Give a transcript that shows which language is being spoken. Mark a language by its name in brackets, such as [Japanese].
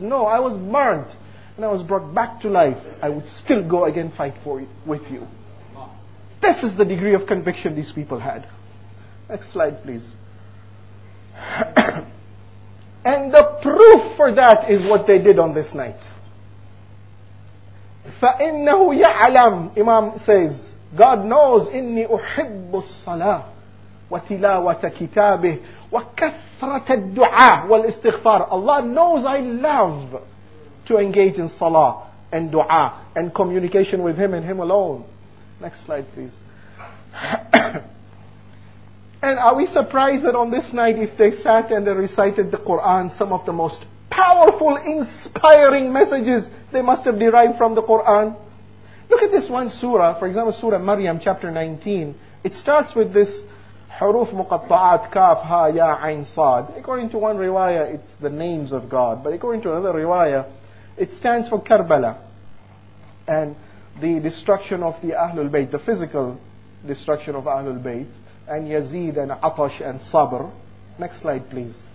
[English] No, I was burnt and I was brought back to life. I would still go again fight for it with you." This is the degree of conviction these people had. Next slide, please. And the proof for that is what they did on this night. [Arabic] فَإِنَّهُ يَعْلَمُ, [English] Imam says, God knows, [Arabic] إِنِّي أُحِبُّ الصَّلَاةِ وَتِلَاوَةَ كِتَابِهِ وَكَثْرَةَ الدُّعَاءِ وَالْإِسْتِغْفَارِ. [English] Allah knows I love to engage in salah and dua and communication with Him and Him alone. Next slide, please. And are we surprised that on this night, if they sat and they recited the Quran, some of the most powerful, inspiring messages they must have derived from the Quran? Look at this one surah, for example, Surah Maryam, chapter 19. It starts with this [Arabic] حروف مقطعات كاف ها يا عين صاد. [English] According to one riwayah, it's the names of God. But according to another riwayah, it stands for Karbala and the destruction of the Ahlul Bayt, the physical destruction of Ahlul Bayt, and Yazid and Atash and Sabr. Next slide, please.